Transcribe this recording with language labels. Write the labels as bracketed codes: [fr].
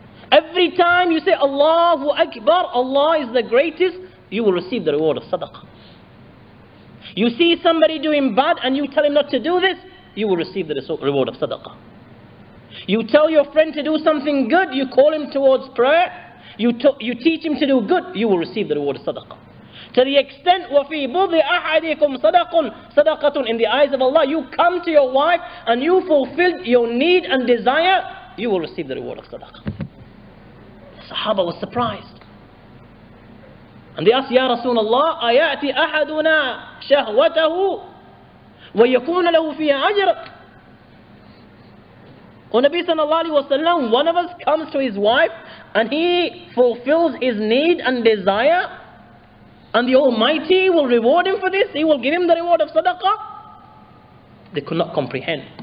[en] Every time you say Allahu Akbar, Allah is the greatest, you will receive the reward of sadaqah. You see somebody doing bad and you tell him not to do this, you will receive the reward of sadaqah. You tell your friend to do something good, you call him towards prayer, you teach him to do good, you will receive the reward of sadaqah. To the extent, [ar] وَفِي بُضِ أَحَدِكُمْ صَدَقَةٌ. [en] In the eyes of Allah, you come to your wife and you fulfill your need and desire, you will receive the reward of sadaqah. The Sahaba was surprised. And they asked, [ar] Ya Rasulullah, أَيَأْتِ أَحَدُنَا شَهْوَتَهُ وَيَكُونَ لَهُ فِيهَا أَجْرٌ. [en] O Nabi sallallahu alayhi wa sallam, one of us comes to his wife and he fulfills his need and desire, and the Almighty will reward him for this. He will give him the reward of sadaqah. They could not comprehend.